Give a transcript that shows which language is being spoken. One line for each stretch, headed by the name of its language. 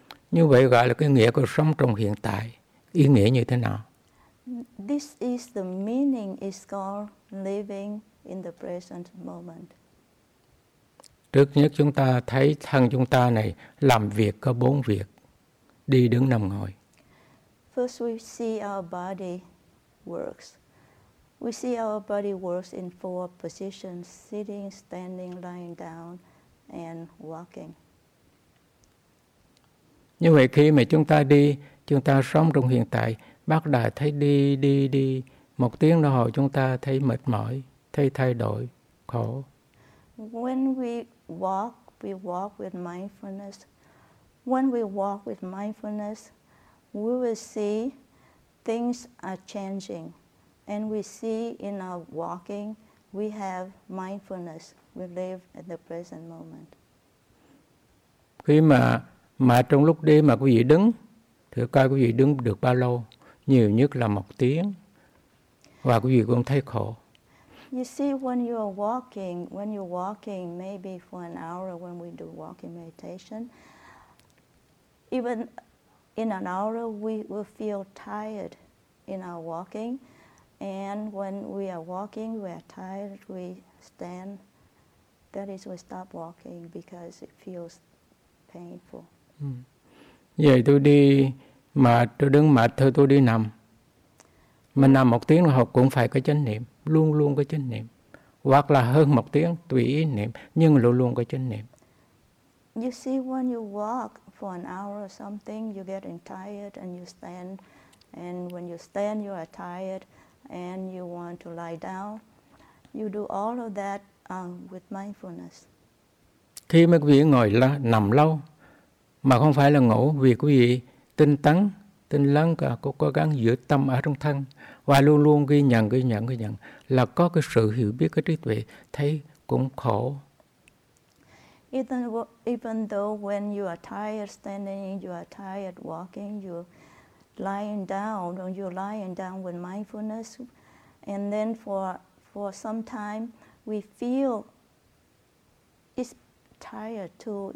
Vietnamese: Như vậy gọi là cái nghĩa của sống trong hiện tại, ý nghĩa như thế nào?
English: This is the meaning is called living in the present moment.
Vietnamese: Trước nhất chúng ta thấy thân chúng ta này làm việc có bốn việc, đi đứng nằm ngồi.
English: First we see our body works. We see our body works in four positions, sitting, standing, lying down, and walking.
Vietnamese: Như vậy khi mà chúng ta đi, chúng ta sống trong hiện tại, bắt đầu thấy đi, một tiếng đồng hồ chúng ta thấy mệt mỏi, thấy thay đổi, khổ.
English: When we walk with mindfulness. When we walk with mindfulness, we will see things are changing. And we see in our walking, we have mindfulness. We live in the present moment.
Vietnamese: Khi mà trong lúc đi mà quý vị đứng, thử coi quý vị đứng được bao lâu? Nhiều nhất là một tiếng. Và quý vị cũng thấy khổ.
English: You see, when you're walking, maybe for an hour, when we do walking meditation, even in an hour we will feel tired in our walking, and when we are walking we are tired, we stand, that is we stop walking because it feels painful.
Vietnamese: Vậy tôi đi mà tôi đứng mệt thôi tôi đi nằm. Mình nằm một tiếng học cũng phải có chánh niệm, luôn luôn có chánh niệm. Hoặc là hơn một tiếng tùy ý niệm, nhưng luôn luôn có chánh niệm.
English: You see, when you walk for an hour or something, you get tired and you stand. And when you stand, you are tired and you want to lie down. You do all of that with mindfulness.
Vietnamese: Khi mà quý vị ngồi nằm lâu, mà không phải là ngủ, vì quý vị tinh tấn, tinh lắng, cố gắng giữ tâm ở trong thân và luôn luôn ghi nhận là có cái sự hiểu biết, cái trí tuệ, thấy cũng khổ.
English: Even though when you are tired standing, you are tired walking, you're lying down, when you're lying down with mindfulness, and then for some time we feel it's tired too.